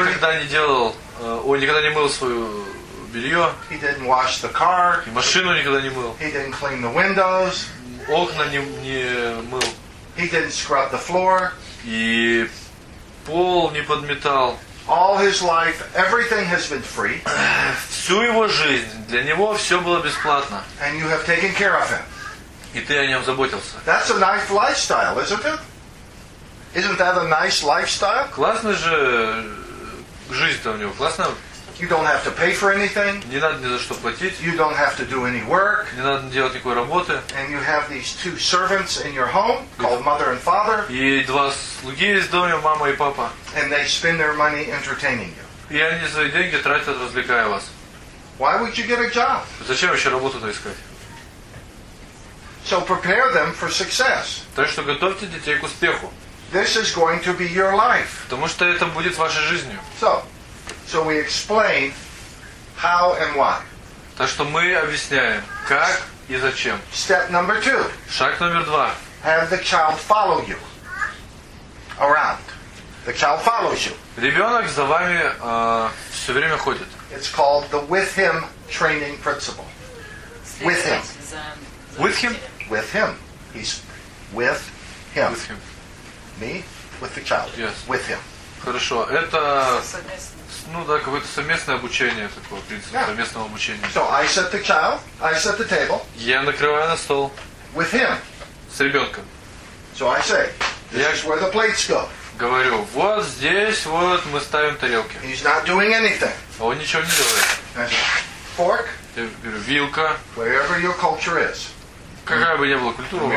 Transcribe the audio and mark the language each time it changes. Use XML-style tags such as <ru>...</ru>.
<ru>Он никогда не делал, он никогда не мыл свое белье.</ru> <en>He didn't wash the car.</en> <ru>И машину никогда не мыл.</ru> <en>He didn't clean the windows.</en> <ru>Окна не мыл.</ru> <en>He didn't scrub the floor.</en> <ru>И пол не подметал.</ru> <en>All his life, everything has been free.</en> <ru>Всю его жизнь для него все было бесплатно.</ru> <en>And you have taken care of him.</en> <ru>И ты о нем заботился.</ru> <en>That's a nice lifestyle, isn't it? Isn't that a nice lifestyle?</en> <ru>Классная же жизнь-то у него, классная.</ru> <en>You don't have to pay for anything.</en> <ru>Не надо ни за что платить.</ru> <en>You don't have to do any work.</en> <ru>Не надо делать никакой работы.</ru> <en>And you have these two servants in your home called mother and father.</en> <ru>И два слуги есть в доме, мама и папа.</ru> <en>And they spend their money entertaining you.</en> <ru>И они свои деньги тратят, развлекая вас.</ru> <en>Why would you get a job?</en> <ru>Зачем вообще работу-то искать?</ru> <en>So prepare them for success.</en> <ru>Так что готовьте детей к успеху.</ru> <en>This is going to be your life.</en> <ru>Потому что это будет вашей жизнью.</ru> <en>So we explain how and why.</en> <ru>Так что мы объясняем, как и зачем.</ru> <en>Step number two.</en> <ru>Шаг номер два.</ru> <en>Have the child follow you around. The child follows you.</en> <ru>Ребенок за вами все время ходит.</ru> <en>It's called the with him training principle. With him. With him? With him. He's with him. With him. Me? With the child. Yes. With him.</en> <ru>Хорошо. Это, ну да, какое-то совместное обучение такое, в принципе, yeah. совместного обучения.</ru> <en>So I set the child, I set the table.</en> <ru>Я накрываю на стол.</ru> <en>With him.</en> <ru>С ребенком.</ru> <en>So I say, this is where the plates go.</en> <ru>Говорю, вот здесь вот мы ставим тарелки.</ru> <en>He's not doing anything.</en> <ru>А он ничего не делает.</ru> <en>Fork.</en> <ru>Я говорю, вилка.</ru> <en>Wherever your culture is.</en> <ru>Какая бы ни была культура у вас.</ru>